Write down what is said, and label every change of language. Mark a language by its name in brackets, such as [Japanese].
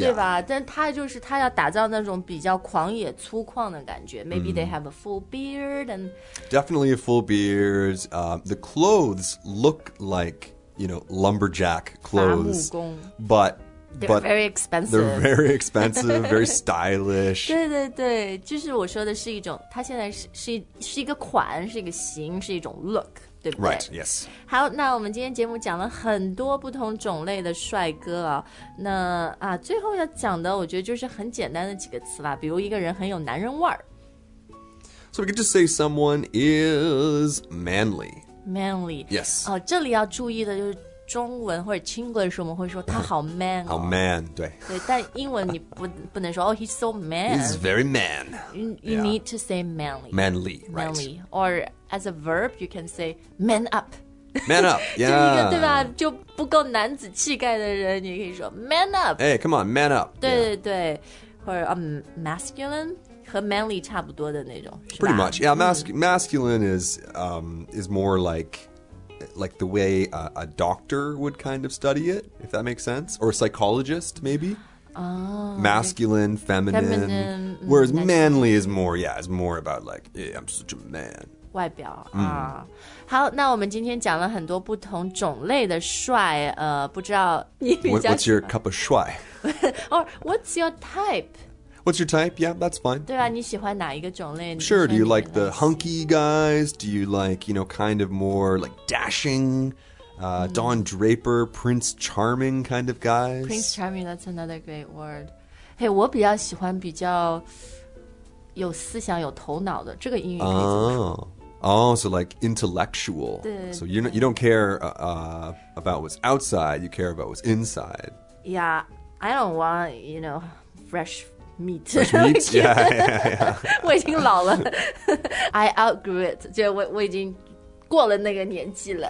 [Chinese] 对吧但他就是他要打造那种比较狂野粗犷的感觉 Maybe they have a full beard. And [English] Definitely a full beard. The clothes look like, you know, lumberjack clothes. [Chinese] 伐木工 [English] but, they're but very expensive. They're very expensive, very stylish. [Chinese] 对对对就是我说的是一种他现在 是一个款是一个型是一种 look. [English] Right, yes. [Chinese] 好那我们今天节目讲了很多不同种类的帅哥啊、哦。那啊最后要讲的我觉得就是很简单的几个词吧比如一个人很有男人味儿。 [English] So we could just say someone is manly. Manly. Yes. [Chinese] 这里要注意的就是中文或者 English 我们会说他好 man、哦。好 man, 对。对但英文你 不能说 oh, he's so man. [English] He's very man. You、yeah. need to say manly. Manly, right. Manly. Or as a verb, you can say man up. Man up, yeah. [Chinese] 就一个对吧就不够男子气概的人你可以说 man up. [English] Hey, come on, man up. [Chinese] 对对对、yeah. 或者、masculine 和 manly 差不多的那种 [English] Pretty much, yeah, masculine is more like the way a doctor would kind of study it, if that makes sense. Or a psychologist, maybe. Oh, masculine, okay. feminine. Whereas manly is more, yeah, it's more about like, yeah, I'm such a man. [Chinese] 外表、好，那我们今天讲了很多不同种类的帅，不知道你比较 [English] What's your cup of 帅? Or what's your type? What's your type? Yeah, that's fine. [Chinese] 对吧，你喜欢哪一个种类？ [English] Sure, do you like the hunky guys? Do you like, you know, kind of more like dashing? Don Draper, Prince Charming kind of guys. Prince Charming, that's another great word. [Chinese] Hey, 我比较喜欢比较有思想、有头脑的这个英语可以怎么说。 [English] Oh, so like intellectual. [Chinese] 对。 [English] So you don't care about what's outside, you care about what's inside. Yeah, I don't want, you know, fresh meat. Fresh meat? yeah, yeah, yeah. [Chinese] 我已经老了。 I outgrew it. 就我已经过了那个年纪了